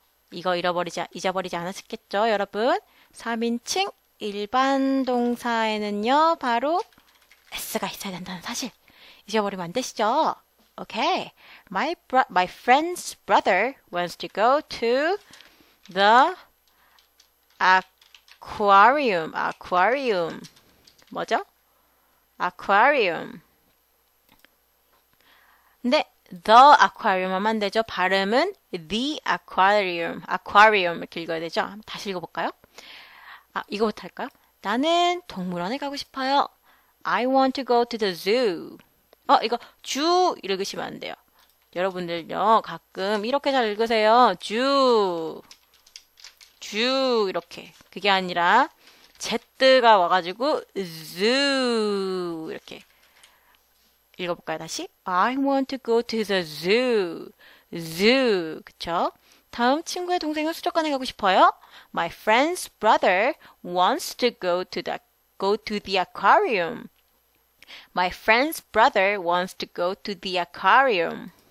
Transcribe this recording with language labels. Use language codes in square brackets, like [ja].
[ko] 이거 잊어버리지 않았겠죠, 여러분? 3인칭 일반 동사에는요, 바로 s가 있어야 된다는 사실. 잊어버리면 안 되시죠? Okay. [en] My friend's brother wants to go to the aquarium. [ko] 뭐죠? Aquarium. 근데 The aquarium 하면 안 되죠. 발음은 the aquarium. aquarium 이렇게 읽어야 되죠. 다시 읽어볼까요? 이거부터 할까요? 나는 동물원에 가고 싶어요. [en] I want to go to the zoo. [ko] 이거 주 읽으시면 안 돼요. 여러분들요, 가끔 이렇게 잘 읽으세요. 주. 주. 이렇게. 그게 아니라, Z가 와가지고, zoo. 이렇게. 읽어볼까요, 다시? [en] I want to go to the zoo. Zoo. 그쵸? [ko] 다음 친구의 동생은 수족관에 가고 싶어요. [en] My friend's brother wants to go to the aquarium. My friend's brother wants to go to the aquarium.